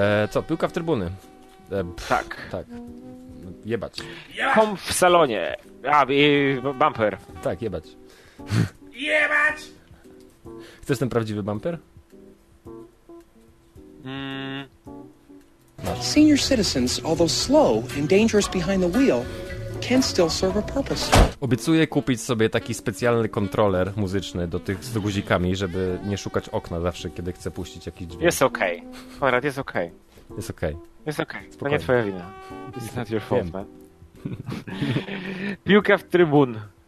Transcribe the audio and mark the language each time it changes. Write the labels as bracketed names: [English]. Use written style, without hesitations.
[Polish] Co, piłka w trybuny? Tak. Tak. Jebać. Kom w salonie. A, i bumper. Tak, jebać. Jebać! Chcesz ten prawdziwy bumper? [English] Senior citizens, although slow and dangerous behind the wheel, can still serve a purpose. [Polish] Obiecuję kupić sobie taki specjalny kontroler muzyczny do tych z guzikami, żeby nie szukać okna zawsze, kiedy chcę puścić jakiś dźwięk. Jest okej. Okay. Konrad, jest okej. Okay. Jest okej. Okay. Jest okej. Okay. To nie twoja wina. [English] It's not your fault, man. [Polish] Piłka w trybun.